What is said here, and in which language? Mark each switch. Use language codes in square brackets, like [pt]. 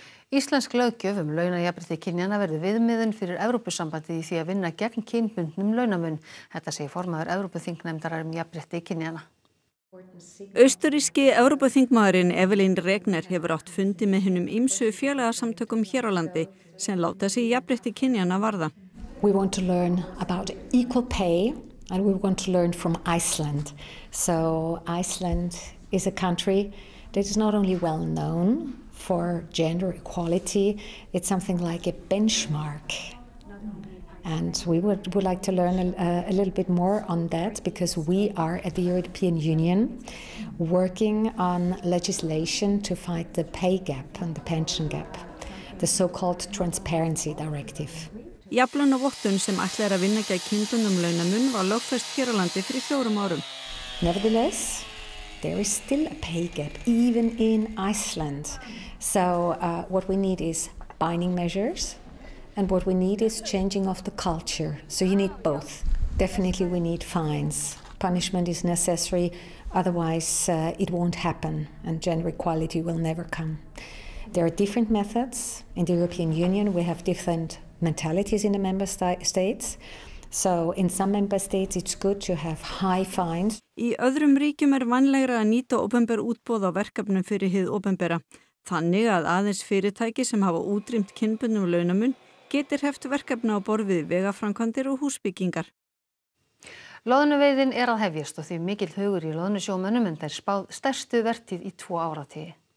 [is] Íslensk löggjöf launajafnrétti kynjanna verður viðmiðun fyrir Evrópusambandið í því að vinna gegn kynbundnum launamun. Þetta segir formaður Evrópuþingnefndar jafnrétti kynjanna. Austurríski Evrópuþingmaðurinn Evelyn Regner hefur átt fundi með hinum ýmsu félagasamtökum hér á landi sem láta sig jafnrétti kynjanna varða. [en] We want to learn about equal pay and we want to learn from Iceland. So Iceland is a country that is not only well known for gender equality, it's something like a benchmark. And we would like to learn a little bit more on that because we are at the European Union working on legislation to fight the pay gap and the pension gap, the so-called transparency directive. [is] Jafnlaunavottun sem ætlar að vinna gegn kynbundnum launamun var lögfest hér á landi fyrir 4 árum. [en] Nevertheless, there is still a pay gap even in Iceland. So what we need is binding measures and what we need is changing of the culture. So you need both. Definitely we need fines. Punishment is necessary, otherwise it won't happen and gender equality will never come. There are different methods. In the European Union we have different mentalities in the member states. So in some member states it's good to have high fines. [is] Í öðrum ríkjum vænlegra að nýta opinber útboð á verkefnum fyrir hið opinbera. Þannig að aðeins fyrirtæki sem hafa útrýmt kynbundnum launamun getur heft verkefni á borð við vegaframkvæmdir og húsbyggingar. Loðnuveiðin að hefjast og því mikill hugur í loðnusjómönnum en þeir spáð stærstu vertið í 2 áratugi.